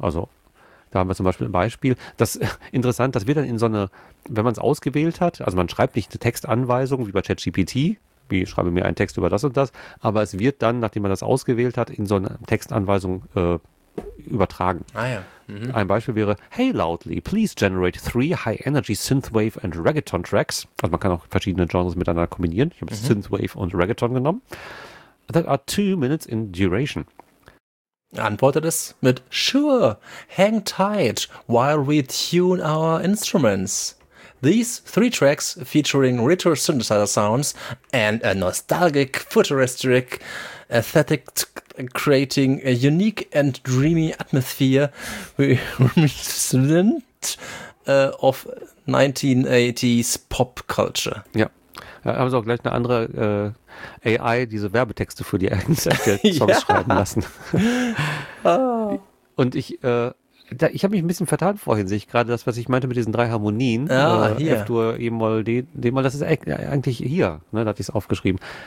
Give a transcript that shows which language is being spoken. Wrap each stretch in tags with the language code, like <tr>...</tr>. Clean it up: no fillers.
<de>Also da haben wir zum Beispiel ein Beispiel. Das ist interessant, das wird dann in so eine, wenn man es ausgewählt hat, also man schreibt nicht eine Textanweisung wie bei ChatGPT, wie schreibe mir einen Text über das und das, aber es wird dann, nachdem man das ausgewählt hat, in so eine Textanweisung übertragen. Ah ja.</de> <en>Mhm.</en> <de>Ein Beispiel wäre,</de> <en>hey Loudly, please generate 3 high energy Synthwave and Reggaeton Tracks.</en> <de>Also man kann auch verschiedene Genres miteinander kombinieren. Ich habe Synthwave und Reggaeton genommen.</de> <en>That are 2 minutes in duration.</en> <de>Antwortet es mit</de> <en>sure, hang tight while we tune our instruments. These 3 tracks featuring retro synthesizer sounds and a nostalgic futuristic aesthetic creating a unique and dreamy atmosphere reminiscent of 1980s pop culture.</en> <de>Ja. Da haben sie auch gleich eine andere AI diese Werbetexte für die Songs schreiben lassen. Und ich habe mich ein bisschen vertan vorhin, sehe ich gerade das, was ich meinte mit diesen 3 Harmonien. F-Dur, E-Moll, D-Moll, das ist eigentlich hier, ne, da hatte ich es aufgeschrieben.</de>